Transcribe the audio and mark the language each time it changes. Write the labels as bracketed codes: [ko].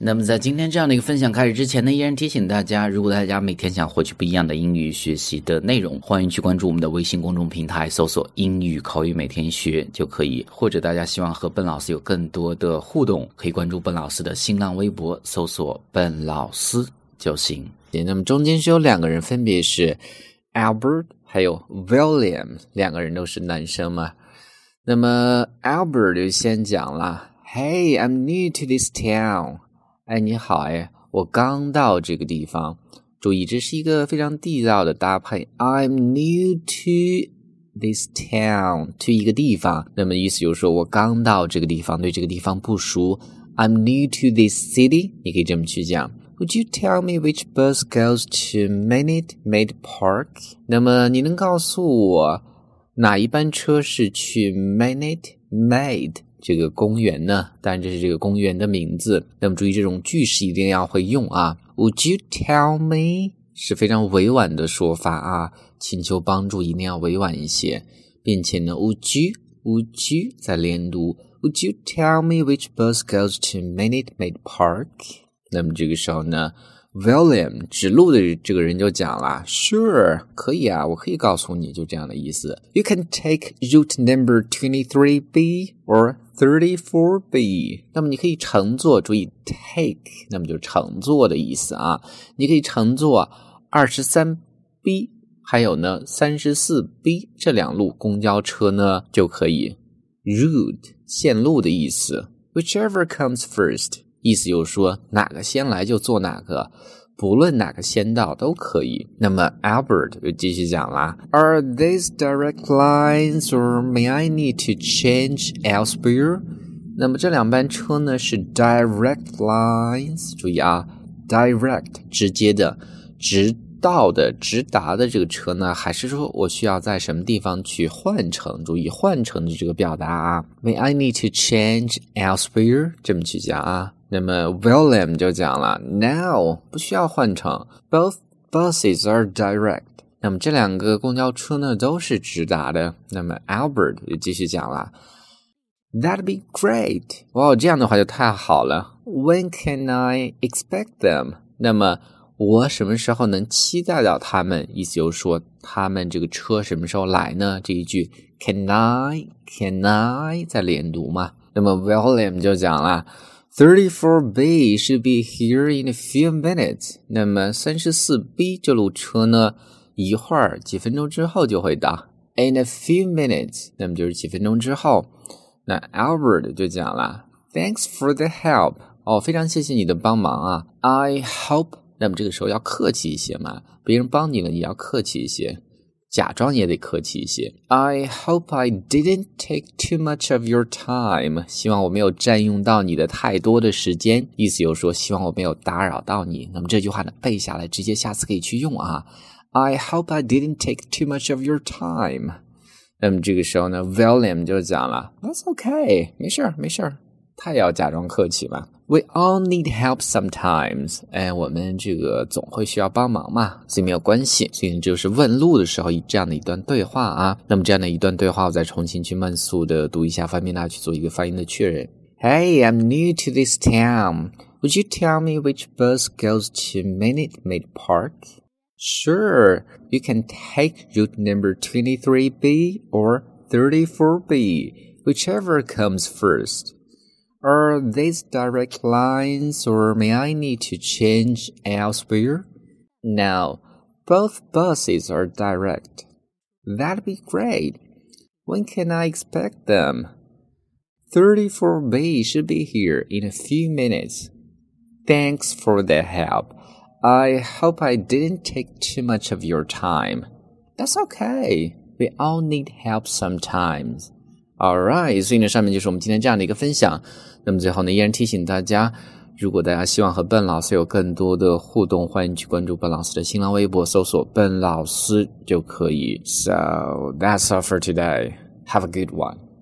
[zh] 那么在今天这样的一个分享开始之前呢，依然提醒大家，如果大家每天想获取不一样的英语学习的内容，欢迎去关注我们的微信公众平台，搜索英语口语每天学就可以。或者大家希望和笨老师有更多的互动，可以关注笨老师的新浪微博，搜索笨老师就行。那么中间是有两个人，分别是 Albert 还有 William， 两个人都是男生嘛。那么 Albert 就先讲了 [en] ，Hey， I'm new to this town。 [zh] 哎，你好哎，我刚到这个地方。注意，这是一个非常地道的搭配 ， [en] I'm new to this town， [zh] to 一个地方。那么意思就是说我刚到这个地方，对这个地方不熟。 [en] I'm new to this city， [zh] 你可以这么去讲。 [en] Would you tell me which bus goes to Minute Maid Park? [zh] 那么你能告诉我哪一班车是去 Minute Maid 这个公园呢？但这是这个公园的名字。那么注意这种句式一定要会用啊。 [en] Would you tell me [zh] 是非常委婉的说法啊，请求帮助一定要委婉一些，并且呢 Would you 再连读。 [en] Would you tell me which bus goes to Minute Maid Park? [zh] 那么这个时候呢 William 指路的这个人就讲了 [en] Sure， [zh] 可以啊，我可以告诉你，就这样的意思。 [en] You can take route number 23B or 34B。 [zh] 那么你可以乘坐，注意 take， 那么就乘坐的意思啊，你可以乘坐 23B 还有呢 34B 这两路公交车呢就可以。 route 线路的意思， [en] whichever comes first， [zh] 意思就是说哪个先来就坐哪个，不论哪个先到都可以。那么 Albert 就继续讲啦， [en] Are these direct lines or may I need to change elsewhere? [zh] 那么这两班车呢是 direct lines， 注意啊， direct 直接的，直到的，直达的这个车呢，还是说我需要在什么地方去换乘，注意换乘的这个表达啊， [en] May I need to change elsewhere， [zh] 这么去讲啊。那么 William 就讲了 No， 不需要换乘， [en] Both buses are direct。 [zh] 那么这两个公交车呢都是直达的。那么 Albert 就继续讲了， [en] That'd be great。 [zh] 哇，这样的话就太好了。 [en] When can I expect them？ [zh] 那么我什么时候能期待到他们，意思就是说他们这个车什么时候来呢，这一句 Can I 再连读嘛。那么 William 就讲了， [en] 34B should be here in a few minutes。 [zh] 那么 34B 这路车呢一会儿几分钟之后就会到。 [en] In a few minutes， [zh] 那么就是几分钟之后。那 Albert 就讲了， [en] Thanks for the help。 [zh] 哦，非常谢谢你的帮忙啊， [en] I hope。 [zh] 那么这个时候要客气一些嘛，别人帮你了你要客气一些，假装也得客气一些。 [en] I hope I didn't take too much of your time。 [zh] 希望我没有占用到你的太多的时间，意思就是说希望我没有打扰到你。那么这句话呢背下来，直接下次可以去用啊。 [en] I hope I didn't take too much of your time。 [zh] 那么这个时候呢 William 就讲了， [en] That's okay， [zh] 没事没事，太要假装客气嘛。 [en] We all need help sometimes。 [zh] 哎，我们这个总会需要帮忙嘛，所以没有关系。所以就是问路的时候以这样的一段对话啊。那么这样的一段对话我再重新去慢速的读一下，方便大家去做一个发音的确认。 [en] Hey， I'm new to this town。 Would you tell me which bus goes to Minute Maid Park？ Sure， you can take route number 23B or 34B， whichever comes first。 Are these direct lines or may I need to change elsewhere? No, both buses are direct. That'd be great. When can I expect them? 34B should be here in a few minutes. Thanks for the help. I hope I didn't take too much of your time. That's okay. We all need help sometimes. Alright， [zh] 所以呢上面就是我们今天这样的一个分享。那么最后呢依然提醒大家，如果大家希望和笨老师有更多的互动，欢迎去关注笨老师的新浪微博，搜索笨老师就可以。 [en] So that's all for today. Have a good one.